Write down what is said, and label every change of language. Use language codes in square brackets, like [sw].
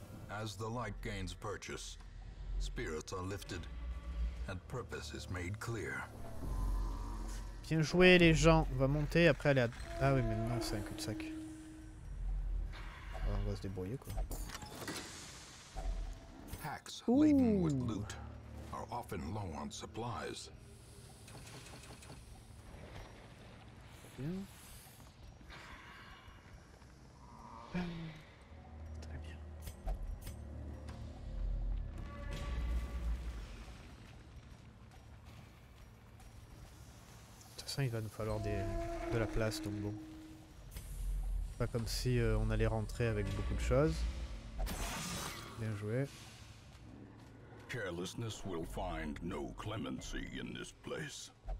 [en] As the light gains purchase, spirits are lifted and purpose is made clear. [fr] Bien joué les gens, on va monter après aller à... Ah oui, mais non, c'est un cul-de-sac. On va se débrouiller quoi. [en] Packs laden with loot are often low on supplies. [fr] Il va nous falloir des, de la place, donc bon. Pas comme si on allait rentrer avec beaucoup de choses. Bien joué. [en] Carelessness will find no clemency in this place.